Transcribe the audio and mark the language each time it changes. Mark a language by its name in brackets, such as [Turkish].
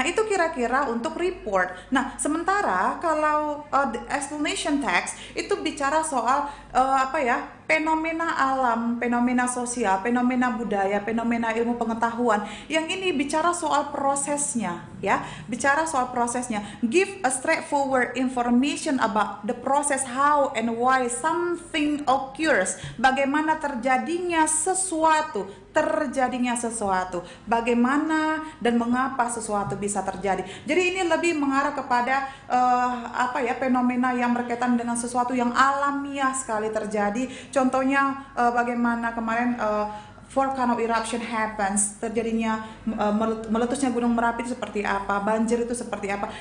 [Indonesian] Nah, itu kira-kira untuk report. Nah, sementara kalau explanation text itu bicara soal fenomena alam, fenomena sosial, fenomena budaya, fenomena ilmu pengetahuan. Yang ini bicara soal prosesnya, ya. Bicara soal prosesnya. [English] Give a straightforward information about the process, how and why something occurs. [Indonesian] Bagaimana terjadinya sesuatu. Terjadinya sesuatu. Bagaimana dan mengapa sesuatu bisa terjadi. Jadi ini lebih mengarah kepada fenomena yang berkaitan dengan sesuatu yang alamiah sekali terjadi. Contohnya bagaimana kemarin volcano eruption happens, terjadinya meletusnya Gunung Merapi itu seperti apa, banjir itu seperti apa.